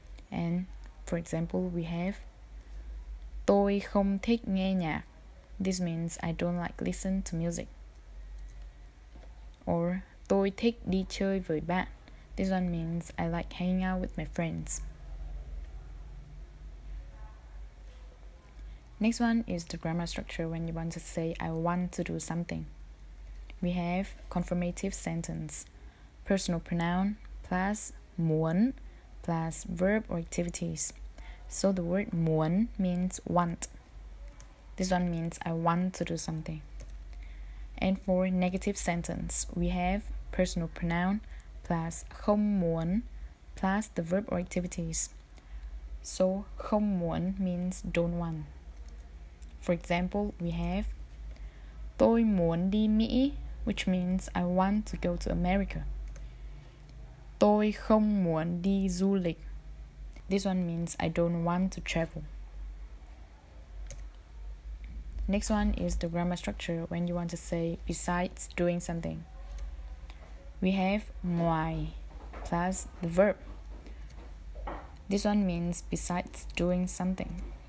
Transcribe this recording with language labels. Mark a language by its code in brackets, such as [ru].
[en] And for example, we have [vi] tôi không thích nghe nhạc. [en] This means I don't like listen to music. Or [vi] tôi thích đi chơi với bạn. [en] This one means I like hanging out with my friends. Next one is the grammar structure when you want to say I want to do something. We have confirmative sentence, personal pronoun plus muốn plus verb or activities. So the word muốn means want. This one means I want to do something. And for negative sentence, we have personal pronoun plus không muốn plus the verb or activities. So không muốn means don't want. For example, we have [vi] tôi muốn đi Mỹ, [en] which means I want to go to America. [vi] Tôi không muốn đi du lịch. [en] This one means I don't want to travel. Next one is the grammar structure when you want to say besides doing something. We have ngoài plus the verb. This one means besides doing something.